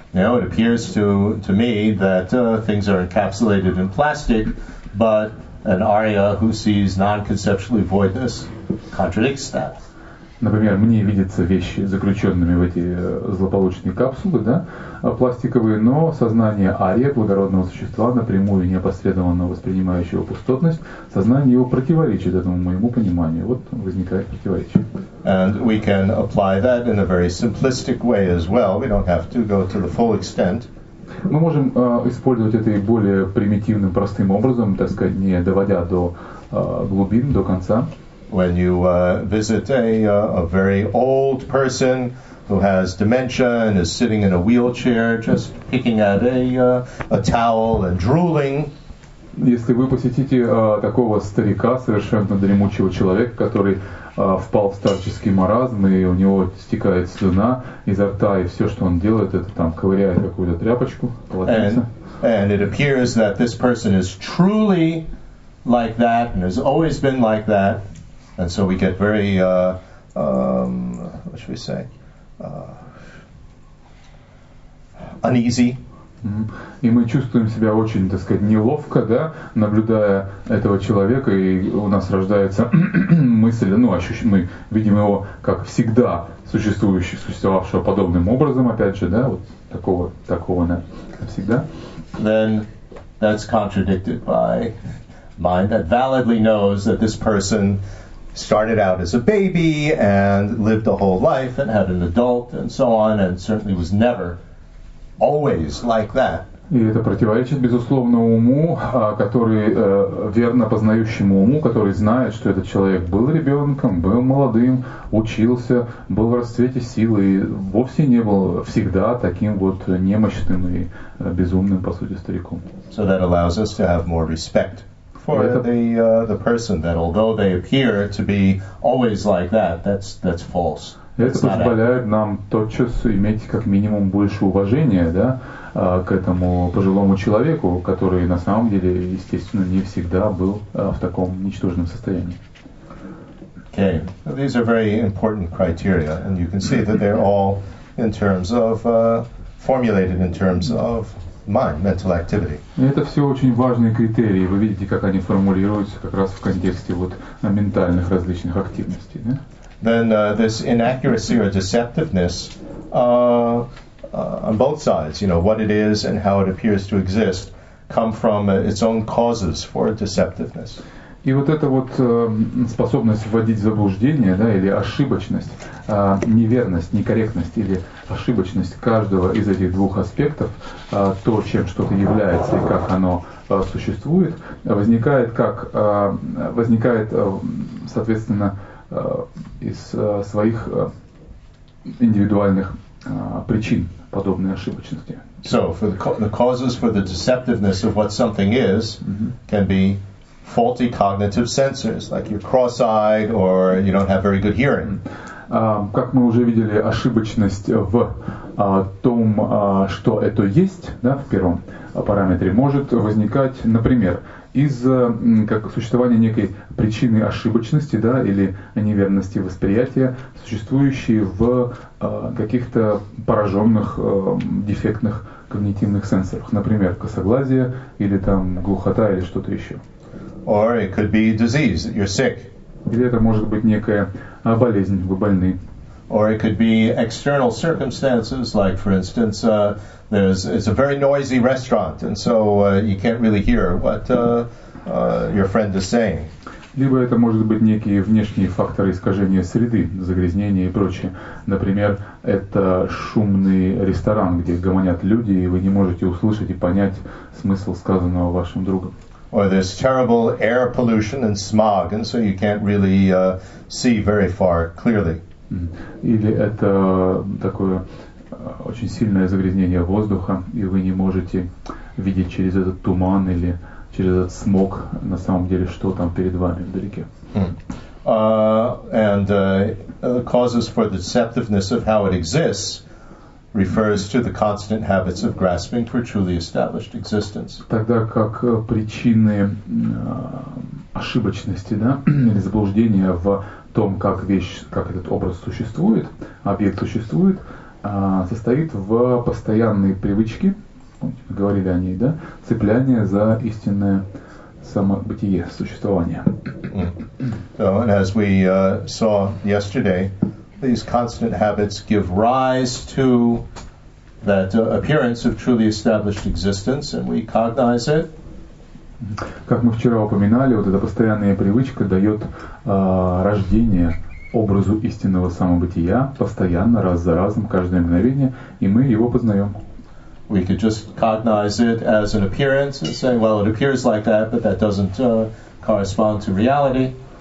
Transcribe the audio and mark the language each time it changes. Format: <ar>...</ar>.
<en>Now it appears to me that things are encapsulated in plastic. But an Arya who sees non-conceptually voidness contradicts that.</en> <ru>Например, мне видятся вещи заключенными в эти злополучные капсулы, да, пластиковые, но сознание Арья, благородного существа, напрямую неопосредованно воспринимающего пустотность, сознание его противоречит этому моему пониманию. Вот возникает противоречие.</ru> <en>And we can apply that in a very simplistic way as well. We don't have to go to the full extent.</en> <ru>Мы можем использовать это и более примитивным, простым образом, так сказать, не доводя до глубин, до конца.</ru> <en>When you visit a very old person who has dementia and is sitting in a wheelchair, just picking at a towel and drooling.</en> <ru>Если вы посетите такого старика, совершенно дремучего человека, который впал в старческий маразм, и у него стекает слюна изо рта, и все, что он делает, это там ковыряет какую-то тряпочку, полотенце.</ru> <en>And it appears that this person is truly like that and has always been like that. And so we get very what should we say? Uneasy.</en> <ru>И мы чувствуем себя очень, так сказать, неловко, да, наблюдая этого человека, и у нас рождается мысль, ну, мы видим его как всегда существовавшего подобным образом, опять же, да, вот такого, да, всегда.</ru> <en>Then that's contradicted by mind that validly knows that this person started out as a baby and lived a whole life and had an adult and so on and certainly was never always like that.</en> <ru>И это противоречит, безусловно, уму, который верно познающему уму, который знает, что этот человек был ребенком, был молодым, учился, был в расцвете силы и вовсе не был всегда таким вот немощным и безумным, по сути, стариком.</ru> <en>So that allows us to have more respect for the person that although they appear to be always like that, that's false.</en> <ru>Это позволяет нам тотчас иметь как минимум больше уважения, да, к этому пожилому человеку, который на самом деле, естественно, не всегда был в таком ничтожном состоянии.</ru> <en>Okay, these are very important criteria, and you can see that they're all in terms of formulated in terms of mind, mental activity.</en> <ru>Это все очень важные критерии. Вы видите, как они формулируются как раз в контексте вот ментальных различных активностей. Да?</ru> <en>Then this inaccuracy or deceptiveness on both sides, you know, what it is and how it appears to exist, come from its own causes for deceptiveness.</en> <ru>И вот эта вот способность вводить в заблуждение, да, или ошибочность, неверность, некорректность или ошибочность каждого из этих двух аспектов, то, чем что-то является и как оно существует, возникает как возникает, соответственно, из своих индивидуальных причин подобной ошибочности.</ru> <en>So, for the causes for the deceptiveness of what something is can be faulty cognitive sensors, like you're cross-eyed or you don't have very good hearing.</en> <ru>Как мы уже видели, ошибочность в том, что это есть, да, в первом параметре, может возникать, например, из как существования некой причины ошибочности, да, или неверности восприятия, существующей в каких-то пораженных, дефектных когнитивных сенсорах, например, косоглазие или там глухота или что-то еще.</ru> <en>Or it could be disease, that you're sick.</en> <ru>Или это может быть некая болезнь, вы больны.</ru> <en>Or it could be external circumstances, like, for instance, it's a very noisy restaurant, and so you can't really hear what your friend is saying.</en> <ru>Либо это может быть некие внешние факторы искажения среды, загрязнения и прочее. Например, это шумный ресторан, где гомонят люди, и вы не можете услышать и понять смысл сказанного вашим другом.</ru> <en>Or there's terrible air pollution and smog, and so you can't really see very far clearly.</en> <ru>Или это такое очень сильное загрязнение воздуха, и вы не можете видеть через этот туман или через этот смог на самом деле, что там перед вами вдалеке.</ru> <en>The causes for the deceptiveness of how it exists refers to the constant habits of grasping for truly established existence.</en> <ru>Тогда как причины ошибочности, да, или заблуждения в том, как вещь, как этот образ существует, объект существует, состоит в постоянной привычке, помните, мы говорили о ней, да, цепляние за истинное самобытие, существование.</ru> <en>So, and as we saw yesterday, these constant habits give rise to that appearance of truly established existence, and we cognize it.</en> <ru>Как мы вчера упоминали, вот эта постоянная привычка дает рождение образу истинного самобытия постоянно, раз за разом, каждое мгновение, и мы его познаем.</ru> <en>We could just cognize it as an appearance and say, well, it appears like that, but that doesn't correspond to reality.</en>